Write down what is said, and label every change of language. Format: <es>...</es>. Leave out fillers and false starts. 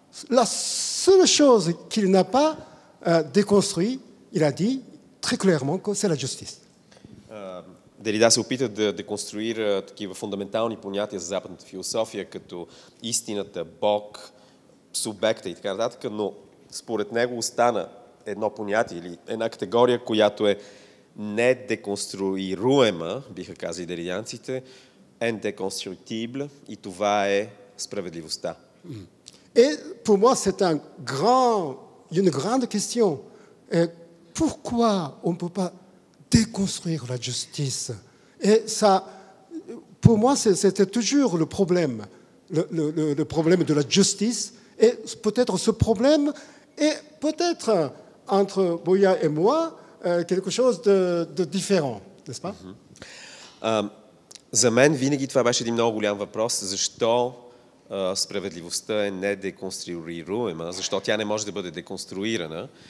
<fr>La seule chose qu'il n'a pas déconstruit, il a dit très clairement que c'est la justice.</fr> <bg>Derида се опита да деконструира такива фундаментални понятия за западната философия, като истината, Бог, субекта и така нататък, но според него остана едно понятие или една категория, която е недеконструируема, биха казали деридианците, en déconstructible, и това е справедливостта.</bg> <fr>Et pour moi c'est un grand une grande question. Pourquoi on peut pas déconstruire la justice? Et ça pour moi c'était toujours le problème, le problème de la justice. Et peut-être ce problème est peut-être entre Boya et moi quelque chose de différent, n'est-ce pas?</fr> <bg>За мен винаги това беше един много голям въпрос, защо справедливостта е недеконструируема, защо тя не може да бъде деконструирана.</bg>